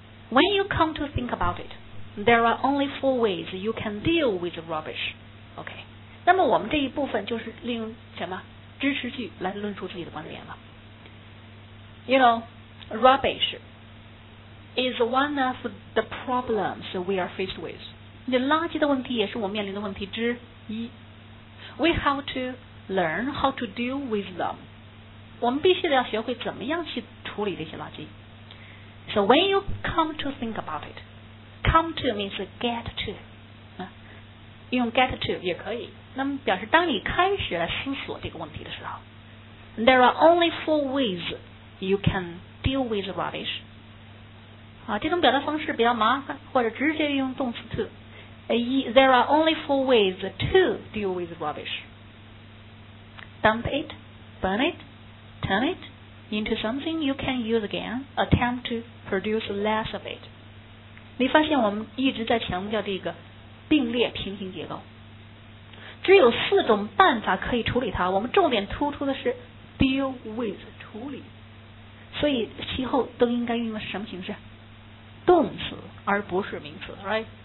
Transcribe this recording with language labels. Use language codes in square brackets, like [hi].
[en] When you come to think about it， there are only four ways you can deal with rubbish， OK。 [zh] 那么我们这一部分就是利用什么支持句来论述自己的观点了。 [en] You know rubbish is one of the problems we are faced with， [zh] 你垃圾的问题也是我面临的问题之一。 [en] We have to learn how to deal with them， [zh] 我们必须要学会怎么样去处理这些垃圾。 [en] So when you come to think about it， come to means get to， [zh] 用 get to 也可以，那么表示当你开始来思索这个问题的时候。 [en] There are only four ways you can deal with rubbish， [zh] 这种表达方式比较麻烦，或者直接用动词 to。 [en] There are only four ways to deal with rubbish， dump it， burn it， turn it into something you can use again， attempt to produce less of it。 [zh] 你发现我们一直在强调这个并列平行结构，只有四种办法可以处理它，我们重点突出的是 deal with， 处理，所以其后都应该运用什么形式，动词而不是名词， [en] right？